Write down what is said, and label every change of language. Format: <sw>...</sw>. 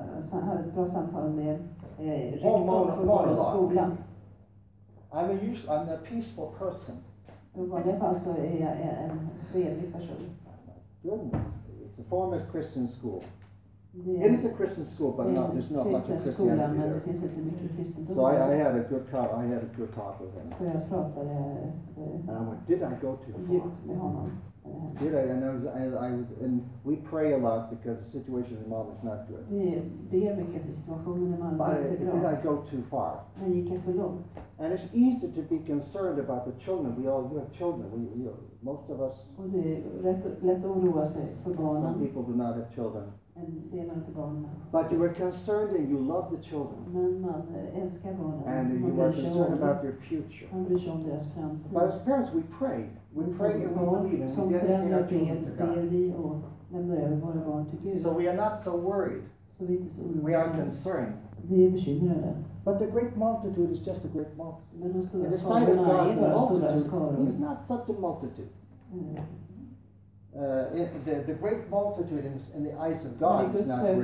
<sv>Jag hade ett bra samtal med rektorn för vår skola.</sv> <en>I'm a peaceful person.</en> <sv>I varje fall så är jag en fredlig person.</sv> <en>Goodness, it's a former Christian school. It is a Christian school, but not there's not much of Christianity there. So I had a good talk with him.</en> <sv>So jag pratade.</sv> <en>And I went, did I go too far?</en> <sv>Med honom.</sv> <en>Did I? And I we pray a lot because the situation in Malmö is not good.</en> <sv>Vi ber mycket för situationen i Malmö.</sv> <en>But did I go too far?</en> <sv>Men gick jag för långt?</sv> <en>And it's easy to be concerned about the children. We all have children. Most of us.</en> <sv>Och det är lätt att oroa sig för barnen.</sv> <en>Some people do not have children.</en> <sv>Inte</sv> <en>but you were concerned and you love the children.</en> <sv>Men man älskar barnen.</sv> <en>And you were concerned about their future.</en> <sv>Man bryr sig om deras framtid.</sv> <en>But as parents, we pray. We pray and we believe in and we get to</en> <sv>ber vi och lämnar över våra barn till Gud.</sv> <en>So we are not so worried.</en> <sv>Så vi är inte så oroliga.</sv> <en>We are concerned.</en> <sv>Vi är bekymrade.</sv> <en>But the great multitude is just a great multitude.</en> <sv>Men de stora skarorna är bara stora skaror.</sv> <en>He's not such a multitude. The great multitude in the eyes of God is not great.</en>